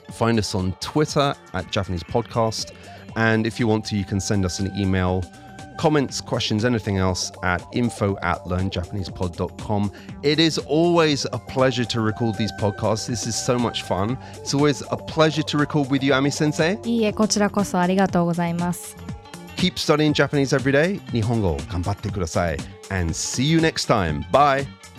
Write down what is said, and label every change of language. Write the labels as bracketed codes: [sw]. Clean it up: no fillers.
[en] Find us on Twitter at Japanese Podcast. And if you want to, you can send us an email, comments, questions, anything else at info@learnjapanesepod.com. It is always a pleasure to record these podcasts. This is so much fun. It's always a pleasure to record with you, Ami-sensei. [ja] いいえ、こちらこそありがとうございます。 [en] Keep studying Japanese every day. [ja] 日本語頑張ってください。 [en] And see you next time. Bye.